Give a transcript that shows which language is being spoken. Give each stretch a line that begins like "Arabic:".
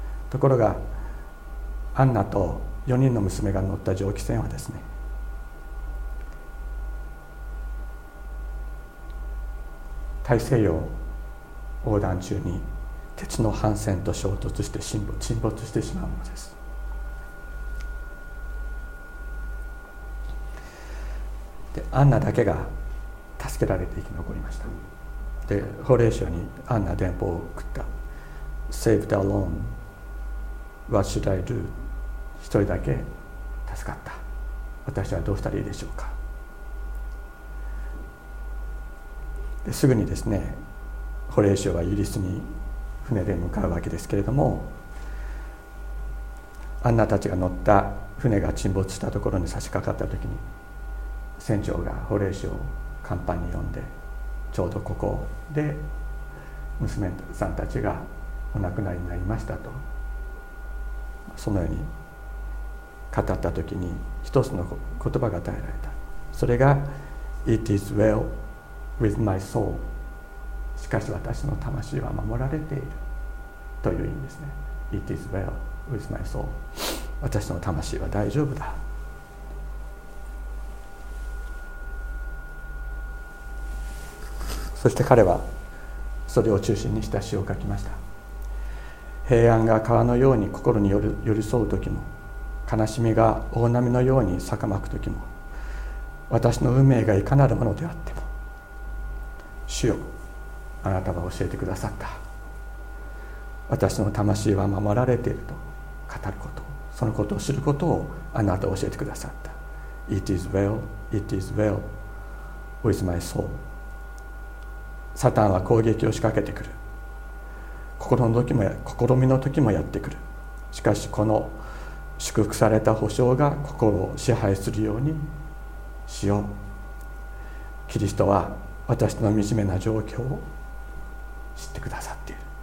Japanese: ところがアンナと4人の娘が乗った蒸気船はですね、大西洋横断中に鉄の帆船と衝突して沈没してしまうのです。で、アンナだけが助けられて生き残りました。で、ホレーショにアンナ電報を送った。
English: Saved alone, what should I do?
Japanese: 一人だけ助かった、私はどうしたらいいでしょうか。ですぐにですね、ホレーショはイギリスに船で向かうわけですけれども、アンナたちが乗った船が沈没したところに差し掛かったときに、船長がホレーショを甲板に呼んで、ちょうどここで娘さんたちがお亡くなりになりましたと、そのように語ったときに一つの言葉が与えられた。それが It is well with my soul、しかし私の魂は守られているという意味ですね。
English: It is well with my soul、私の魂は大丈夫だ。
Japanese: そして彼はそれを中心にした詩を書きました。平安が川のように心に寄り添う時も、悲しみが大波のように逆まく時も、私の運命がいかなるものであっても、主よ、あなたは教えてくださった、私の魂は守られていると語ること、そのことを知ることをあなたは教えてくださった。
English: It is well, it is well with my soul。
Japanese: サタンは攻撃を仕掛けてくる、試みの時もやってくる、しかしこの祝福された保証が心を支配するようにしよう。キリストは私の惨めな状況を知ってくださっている。